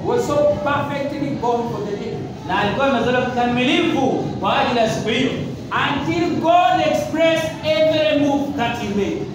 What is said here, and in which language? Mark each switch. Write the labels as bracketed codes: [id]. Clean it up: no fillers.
[en] was so perfectly born for the day. [sw] Na alikuwa amezaliwa kikamilifu kwa ajili ya siku hiyo. [en] Until God expressed every move that he made.